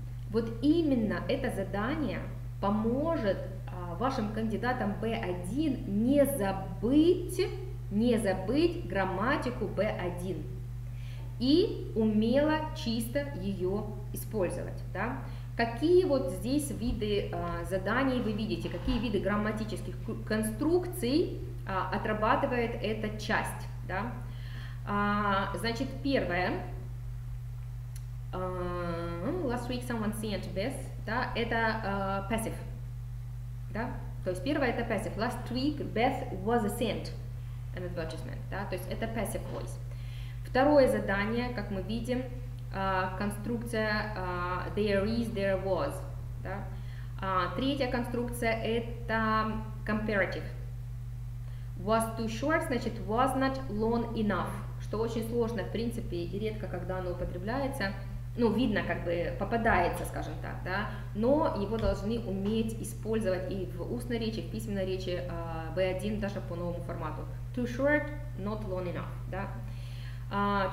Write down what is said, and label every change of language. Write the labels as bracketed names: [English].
[Russian] Вот именно это задание поможет вашим кандидатам B1 не забыть грамматику B1 и умело чисто ее использовать. Да? Какие вот здесь виды заданий вы видите, какие виды грамматических конструкций отрабатывает эта часть? Да? Значит, первое. [English] Last week someone sent this. [Russian] Да, это passive. Да? То есть первое это passive. [English] Last week Beth was sent an advertisement. [Russian] Да? То есть это passive voice. Второе задание, как мы видим, конструкция there is, there was. Да? Третья конструкция это comparative. [English] Was too short, [Russian] значит [English] was not long enough. [Russian] Что очень сложно, в принципе, и редко, когда оно употребляется. Ну, видно, как бы попадается, скажем так, да, но его должны уметь использовать и в устной речи, и в письменной речи B1, даже по новому формату. [English] Too short, not long enough, [Russian] да.